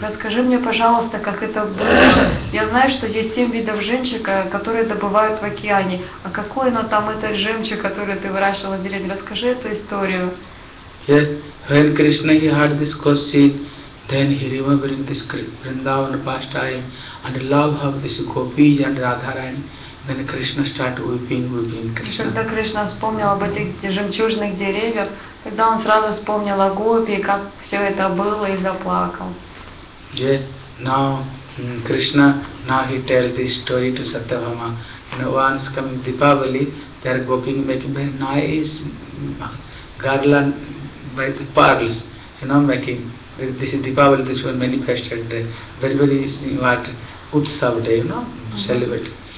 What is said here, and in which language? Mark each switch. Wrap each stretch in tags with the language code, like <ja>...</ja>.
<ru>Расскажи мне, пожалуйста, как это было. Я знаю, что есть 7 видов жемчуга, которые добывают в океане. А какой оно там, этот жемчуг, который ты выращивал на деревьях? Расскажи эту историю.</ru> <en>Yeah. When Krishna he heard this question, then he remembered this Vrindavan pastime and love of this gopis and Radharani. Then Krishna started weeping.</en> <ru>Когда Кришна вспомнил об этих жемчужных деревьях, тогда он сразу вспомнил о гопи, как все это было, и заплакал.</ru> <en>Yeah. Now Krishna, now he tells this story to Satyabhama. You know, once coming Deepavali, they are gopi making very nice garland by the pearls, you know, making. This is Deepavali, this was manifested day. Very, very what Utsav day, you know, celebrate.</en>